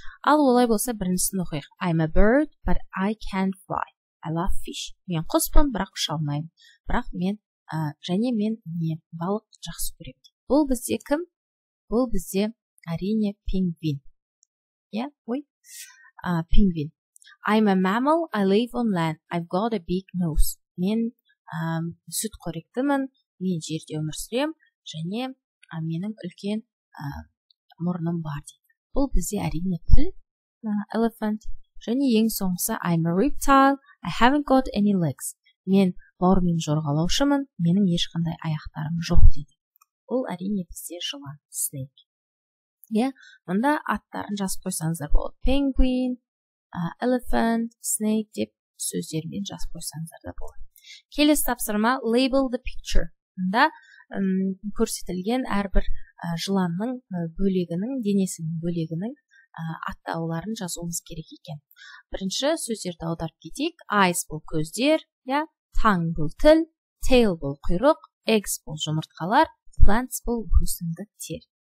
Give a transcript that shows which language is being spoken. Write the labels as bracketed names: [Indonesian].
[Kazakh] Ал олай болса біріншісін оқиық. [English] I'm a bird, but I can't fly. I love fish. [Kazakh] Мен құспын, бірақ ұша алмаймын. Бірақ мен, және мен не балық жақсы көремін. Бұл бізде кім? Бұл бізде әрине пингвин. Пингвин. [English] I'm a mammal, I live on land. I've got a big nose. [Kazakh] Мен сүт қоректімін, мен жерде өмір сүрем, және менің үлкен мұрным бар. Бұл бізде әрине піл, elephant. Және ең соңғысы, [English] I'm a reptile, I haven't got any legs. [Kazakh] Мен бауырмен жорғалаушымын, менің ешқандай аяқтарым жоқ дейді. Бұл әрине бізде жылан, snake. Мұнда аттарын жазып қойсаңыздар болады. Penguin, elephant, snake деп сөздерімен жазып қойсаңыздар да болады. Келесі тапсырма, [English] label the picture. [Kazakh] Мұнда көрсетілген әрбір жыланның бөлегінің, денесінің бөлегінің аттауларын жазуымыз керек екен. Бірінші сөздерді аударып кетейік. Eyes бұл көздер, tongue бұл тіл, tail бұл құйрық, eggs бұл жұмыртқалар, plants бұл өсімдіктер.